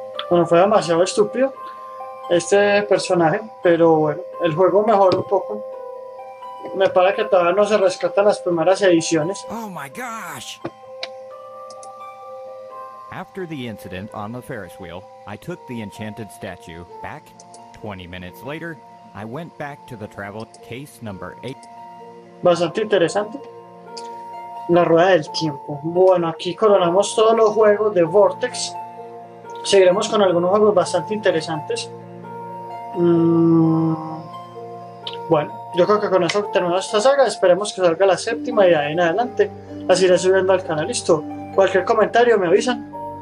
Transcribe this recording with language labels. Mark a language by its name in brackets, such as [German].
[Spanish] Bueno, fue demasiado estúpido este personaje, pero bueno, el juego mejoró un poco. Me parece que todavía no se rescatan las primeras ediciones. [English] Oh my gosh. After the incident on the Ferris wheel, I took the enchanted statue back. 20 minutes later, I went back to the travel case number 8. [Spanish] Bastante interesante. La rueda del tiempo. Bueno, aquí coronamos todos los juegos de Vortex. Seguiremos con algunos juegos bastante interesantes. Bueno, yo creo que con eso terminamos esta saga. Esperemos que salga la séptima y de ahí en adelante las iré subiendo al canal. Listo. Cualquier comentario me avisan.